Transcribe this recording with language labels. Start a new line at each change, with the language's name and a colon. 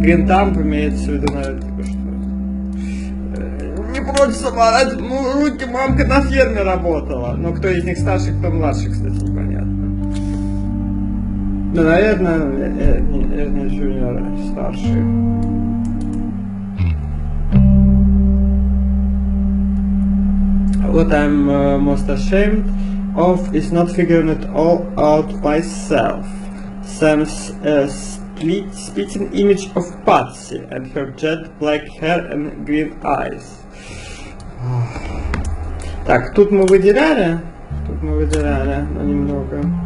Russian: Гринтам имеется в виду, наверное, типа, что... Не прочь заморать, ну, руки, мамка на ферме работала. Но кто из них старше, кто младше, кстати, непонятно. Ну, наверное, Эрни Джуниор старший.
English: What I'm most ashamed of is not figuring it all out myself. Sam's spitting image of Patsy and her jet black hair and green eyes.
Russian: Так, тут мы выделяли? Тут мы выделяли, но немного.